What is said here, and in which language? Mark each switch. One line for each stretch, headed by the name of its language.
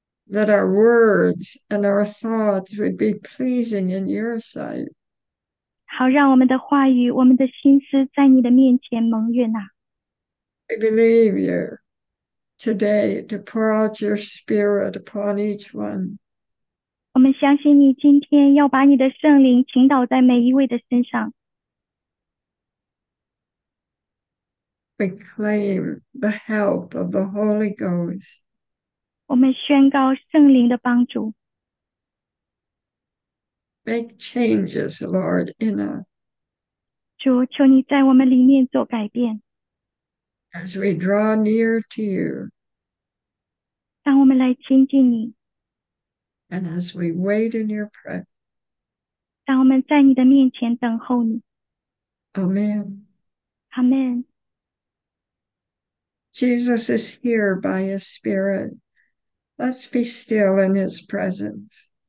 English: That our words and our thoughts would be pleasing in your sight.
Chinese: 好让我们的话语,我们的心思在你的面前蒙悦纳。
English: I believe you today to pour out your spirit upon each one.
Chinese: 我们相信你今天要把你的圣灵倾倒在每一位的身上。
English: We claim the help of the Holy Ghost.
Chinese: 我们宣告圣灵的帮助。
English: Make changes, Lord, in us.
Chinese: 主，求你在我们里面做改变。
English: As we draw near to you.
Chinese: 当我们来亲近你。
English: And as we wait in your presence.
Chinese: 当我们在你的面前等候你。
English: Amen. Amen. Jesus is here by his Spirit. Let's be still in his presence.